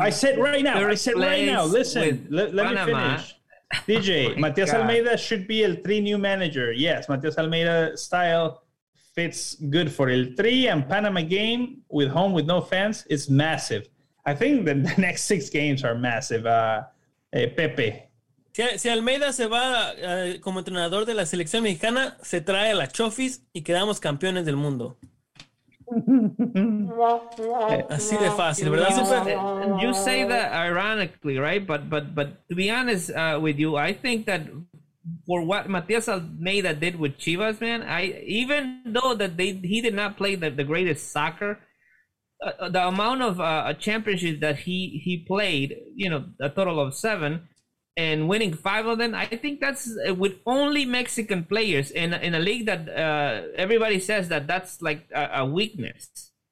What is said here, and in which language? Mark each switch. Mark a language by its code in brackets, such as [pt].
[en] I said right now. Listen. Let me finish. DJ Matias Almeida should be El Tri new manager. Yes, Matias Almeida style. Fits good for El Tri, and Panama game with home with no fans is massive. I think the next six games are massive. Pepe. [es] Si Almeida se va como entrenador de la selección mexicana, se trae a la Chofis y quedamos campeones del mundo. Así de fácil, ¿verdad? [en] You say that ironically, right? But to be honest with you, I think that for what Matias Almeida did with Chivas, man, even though he did not play the greatest soccer, the amount of a championship that he played, you know, a total of seven, and winning five of them, I think that's with only Mexican players in a league that everybody says that that's like a weakness.